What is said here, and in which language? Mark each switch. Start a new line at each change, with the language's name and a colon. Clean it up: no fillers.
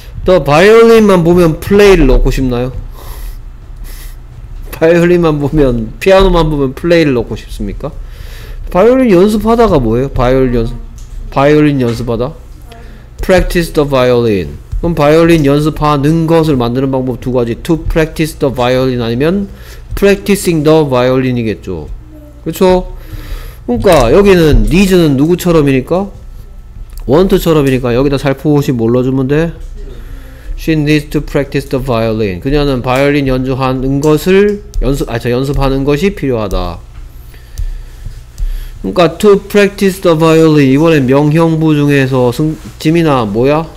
Korean: 더 바이올린만 보면 플레이를 넣고 싶나요? 바이올린만 보면 피아노만 보면 플레이를 넣고 싶습니까? 바이올린 연습하다가 뭐예요? 바이올린 연습하다?
English: Practice the violin.
Korean: 그럼 바이올린 연습하는 것을 만드는 방법 두 가지.
English: To practice the violin
Korean: 아니면
English: practicing the violin이겠죠.
Korean: 그렇죠? 그러니까 여기는 needs는 누구처럼이니까? want처럼이니까 여기다 살포시 뭘로 주면 돼?
English: She needs to practice the violin.
Korean: 그녀는 바이올린 연주하는 것을 연습하는 것이 필요하다. 그러니까
English: to practice the violin
Korean: 이번에 명형부 중에서 지민아 뭐야?